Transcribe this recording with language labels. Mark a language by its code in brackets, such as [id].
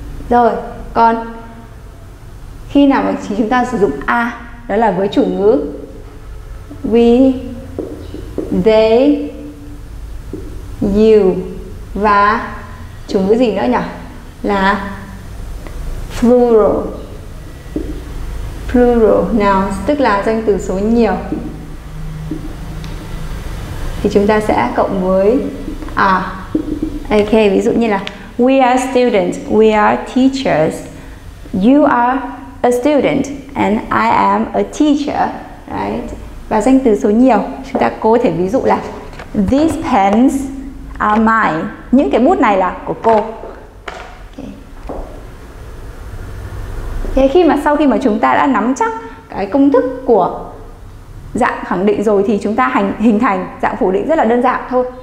[vi] Rồi, còn khi nào mà chúng ta sử dụng a, đó là với chủ ngữ we, they, you và chủ ngữ gì nữa nhỉ? Là plural. Plural nouns, tức là danh từ số nhiều, thì chúng ta sẽ cộng với are. [en] Ok, [vi] ví dụ như là [en] we are students, we are teachers, you are a student and I am a teacher, right? [vi] Và danh từ số nhiều, chúng ta có thể ví dụ là [en] these pens are mine, [vi] những cái bút này là của cô. Thế khi mà sau khi mà chúng ta đã nắm chắc cái công thức của dạng khẳng định rồi thì chúng ta hình thành dạng phủ định rất là đơn giản thôi.